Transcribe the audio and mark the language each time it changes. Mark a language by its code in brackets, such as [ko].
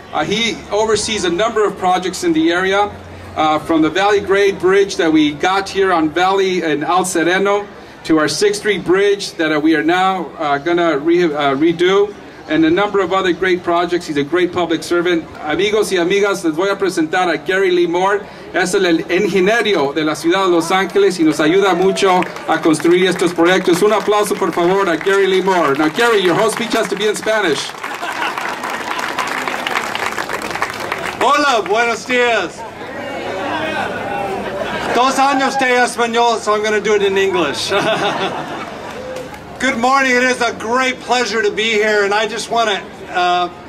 [en] He oversees a number of projects in the area, from the Valley Grade Bridge that we got here on Valley and Al Sereno, to our 6th Street Bridge that we are now going to redo, and a number of other great projects. He's a great public servant. [es] Amigos y amigas, les voy a presentar a Gary Lee Moore. Es el ingeniero de la ciudad de Los Ángeles y nos ayuda mucho a construir estos proyectos. Un aplauso, por favor, a Gary Lee Moore. [en] Now, Gary, your whole speech has to be in Spanish. [es] Hola, buenos días. [en] 2 [es] años de español, [en] so I'm going to do it in English. Good morning. It is a great pleasure to be here, and I just want to